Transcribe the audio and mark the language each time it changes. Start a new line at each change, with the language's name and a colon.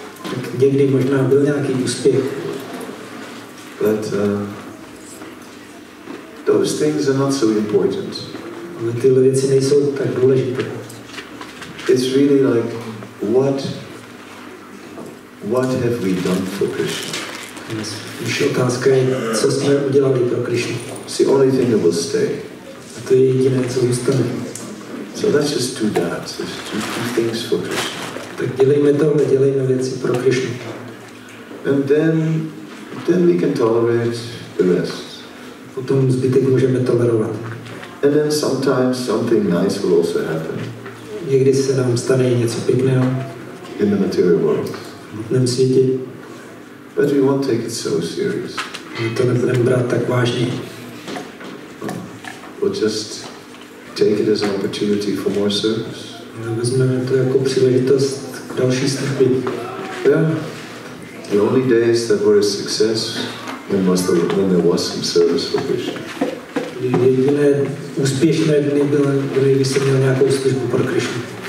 Czech: Tak někdy možná byl nějaký úspěch.
English: But those things are not so important.
Czech: Ale tyhle věci nejsou tak důležité.
English: It's really like what have we done for Krishna?
Czech: Už je otázka, co jsme udělali pro Krishna.
English: It's the only thing that will stay.
Czech: A to je jediné, co zůstane.
English: So let's just do that. Just do two things for Krishna.
Czech: Tak dělejme to, dělejme věci pro Krišnu.
English: And then we can tolerate the rest.
Czech: Potom zbytek můžeme tolerovat.
English: And then sometimes something nice will also happen.
Czech: Někdy se nám stane něco pěkného.
English: In the material world.
Czech: V hmotném světě.
English: But we won't take it so serious.
Czech: My to nebudeme brát tak vážně.
English: We'll just take it as an opportunity for more service.
Czech: Vezmeme to jako příležitost k další stavbě.
English: Yeah. The only days that were a success when there was some service for Krishna.
Czech: Jediné úspěšné dny byly, když jsem měl nějakou službu pro Krishna.